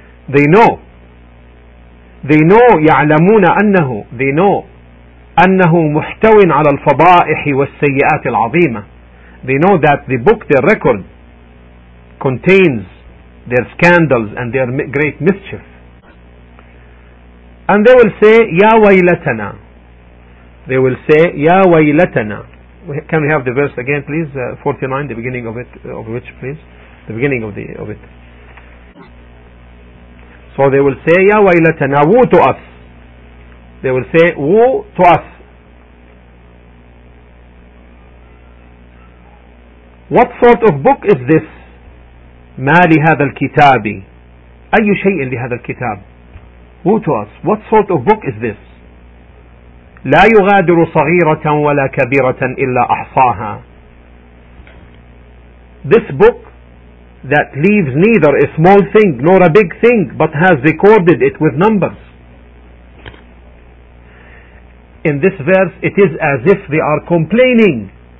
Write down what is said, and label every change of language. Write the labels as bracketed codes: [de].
[en] They know, [ar] يعلمون أنه, they know, أنه محتوى على الفضائح والسيئات العظيمة. [en] They know that the book, their record, contains their scandals and their great mischief. And they will say, [ar] يا ويلتنا. [en] They will say, يا ويلتنا, Can we have the verse again, please? 49, the beginning of it, of which, please? The beginning of the of it. So they will say, Ya waylatana, woo to us. They will say, woo to us. What sort of book is this? [ar] ما لهذا الكتاب؟ أي شيء لهذا الكتاب؟ [en] Woe to us. What sort of book is this? [ar] لا يغادر صغيرة ولا كبيرة إلا أحصاها. [en] This book that leaves neither a small thing nor a big thing, but has recorded it with numbers. In this verse, it is as if they are complaining.